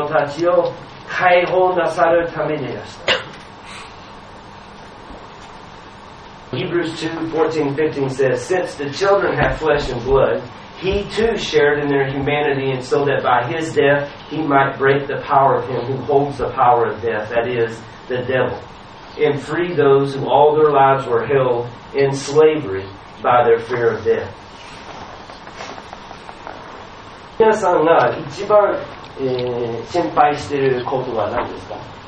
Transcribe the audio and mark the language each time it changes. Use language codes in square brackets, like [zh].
[ja] イエスもまた同様にこれらのものを備えられました。それは死を司るものつまり悪魔をご自分の死によって滅ぼし、死の恐怖のために一生涯奴隷の状態にあった者たちを解放なさるためでした。 [en] Hebrews 2, 14, 15 says, since the children have flesh and blood, He too shared in their humanity, and so that by His death He might break the power of him who holds the power of death, that is, the devil, and free those who all their lives were held in slavery by their fear of death. [ja] 皆さんが一番心配していることは何ですか?